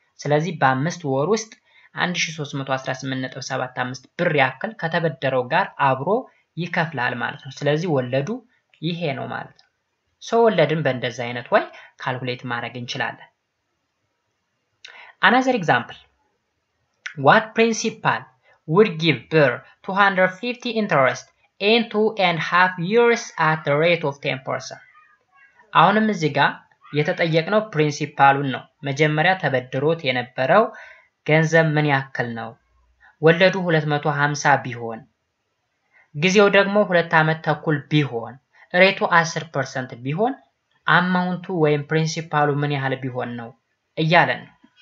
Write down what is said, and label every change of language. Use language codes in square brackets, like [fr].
[am] ስለዚህ በአምስት ወር ውስጥ 1318.75 ብር ያክል ከተበደረው ጋር አብሮ ይከፍላል ማለት ነው። ስለዚህ ወለዱ ይሄ ነው ማለት ነው። ሶ ወለድን በእንደዚህ አይነት ወይ ካልኩሌት ማድረግ እንችላለን። [en] Another example. What principal would give bir 250 interest in 2.5 years at the rate of 10%? [am] አሁንም እዚህ ጋር የተጠየቅነው ፕሪንሲፓሉን ነው። መጀመሪያ ተበድሮት የነበረው ገንዘብ ምን ያክል ነው? ወለዱ 250 ቢሆን ጊዜው ደግሞ 2 አመት ተኩል ቢሆን ሬቱ 10% ቢሆን አማውንቱ ወይም ፕሪንሲፓሉ ምን ያህል ቢሆን ነው እያለን ነው።